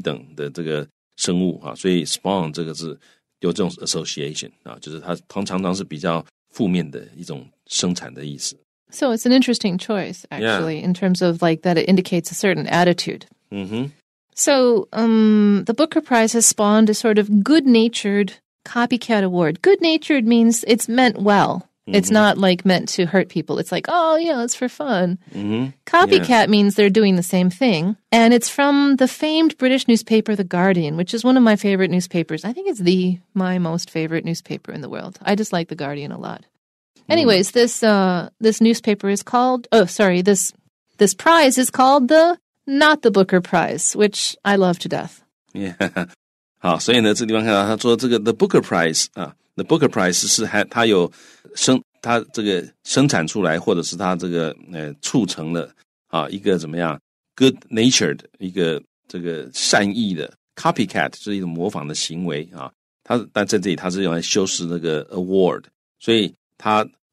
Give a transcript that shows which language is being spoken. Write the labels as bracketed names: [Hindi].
[Chinese] 也许因为我们认为鱼是比较低等的这个生物，所以 spawn 这个字有这种 association 就是它常常是比较负面的一种生产的意思。 [English] So it's an interesting choice, actually, in terms of like that it indicates a certain attitude. So the Booker Prize has spawned a sort of good-natured copycat award. Good-natured means it's meant well. Mm-hmm. It's not like meant to hurt people. It's like, oh, yeah, it's for fun. Copycat means they're doing the same thing. And it's from the famed British newspaper, The Guardian, which is one of my favorite newspapers. I think it's my most favorite newspaper in the world. I just like The Guardian a lot. Anyways, this newspaper is called, this prize is called the Not the Booker Prize, which I love to death. Yeah. [Chinese] 好，所以呢，这地方看到他说这个 the Booker Prize 啊 ，the Booker Prize 是它有生产出来或者是它促成了一个怎么样 good natured 一个善意的 copycat 就是一种模仿的行为，但在这里它是用来修饰那个 award， 所以它。